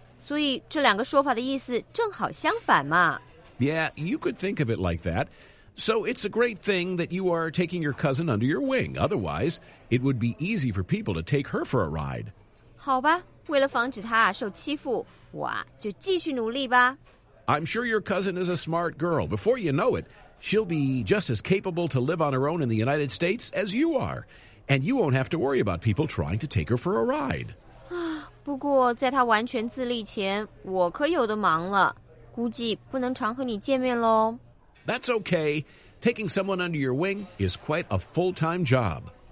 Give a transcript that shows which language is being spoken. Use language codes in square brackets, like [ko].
[zh] 所以这两个说法的意思正好相反嘛。 [en] Yeah, you could think of it like that. So it's a great thing that you are taking your cousin under your wing. Otherwise, it would be easy for people to take her for a ride. [zh] 好吧。为了防止他受欺负，我就继续努力吧。 [en] I'm sure your cousin is a smart girl. Before you know it, she'll be just as capable to live on her own in the United States as you are. And you won't have to worry about people trying to take her for a ride. [zh] 不过在她完全自立前，我可有的忙了，估计不能常和你见面咯。 [en] That's okay. Taking someone under your wing is quite a full-time job.